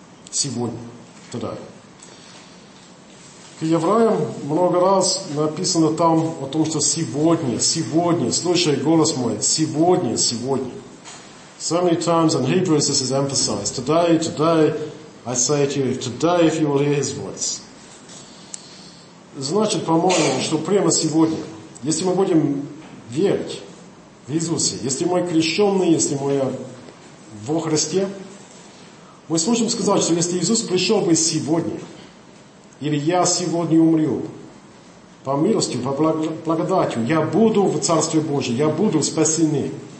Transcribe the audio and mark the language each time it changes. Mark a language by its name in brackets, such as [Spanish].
[Russian] Сегодня, [English] today. [Russian] К евреям много раз написано там о том, что сегодня, сегодня, слушай голос мой, сегодня, сегодня. [English] So many times in Hebrews this is emphasized. Today, today, I say to you, today if you will hear his voice. [Russian] Значит, по-моему, что прямо сегодня, если мы будем верить в Иисусе, если мы крещенные, если мы во Христе, мы сможем сказать, что если Иисус пришел бы сегодня, или я сегодня умру, по милости, по благодати, я буду в Царстве Божьем, я буду спасены.